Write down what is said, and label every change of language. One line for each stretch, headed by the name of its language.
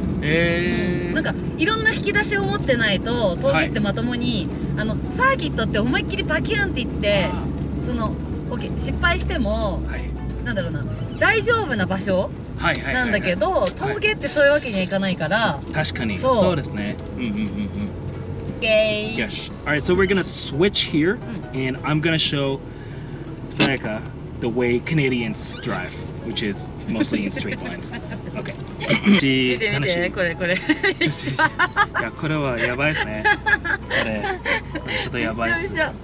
Japanese: なんかいろんな引き出しを持ってないと峠ってまともに、はい、あのサーキットって思いっきりパキュンっていって、そのオッケー失敗しても、はい、なんだろうな、大丈夫な場所なんだけど、峠ってそういうわけにはいかないから。確かにそうですね。
English: Okay. Yes. All right. So we're gonna switch here, and I'm gonna show Sayaka the way Canadians drive, which is mostly in straight lines. Okay.
Japanese: 見て、これ。いや、これはやばいですね。これちょっとやばいです。